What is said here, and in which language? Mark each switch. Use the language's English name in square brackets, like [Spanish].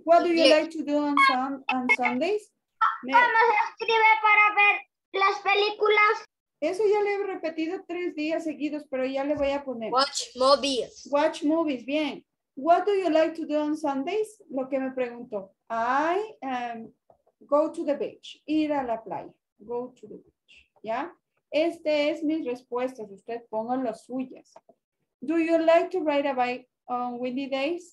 [English] What do you like to do on Sundays? [Spanish] ¿Cómo se escribe para ver las películas? Eso ya le he repetido 3 días seguidos, pero ya le voy a poner. [English] Watch movies. Watch movies, bien. What do you like to do on Sundays? [Spanish] Lo que me preguntó. [English] I go to the beach. [Spanish] Ir a la playa. [English] Go to the beach. [Spanish] ¿Ya? Este es mis respuestas. Usted ponga las suyas. [English] Do you like to ride a bike on windy days?